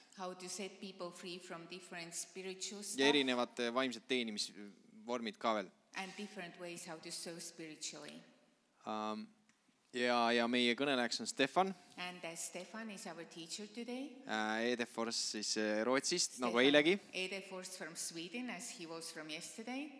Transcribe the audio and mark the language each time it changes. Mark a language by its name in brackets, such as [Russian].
[English] How to set people free from different spiritual stuff. [Estonian] Ja erinevate vaimsed teenimisvormid ka veel. [English] And different ways how to sow spiritually. [Estonian] Ja meie kõneleks on Stefan. [English] And Stefan is our teacher today. [Estonian] Edefors siis Rootsist, Stefan, nagu eilegi. [English] Edefors from Sweden, as he was from yesterday.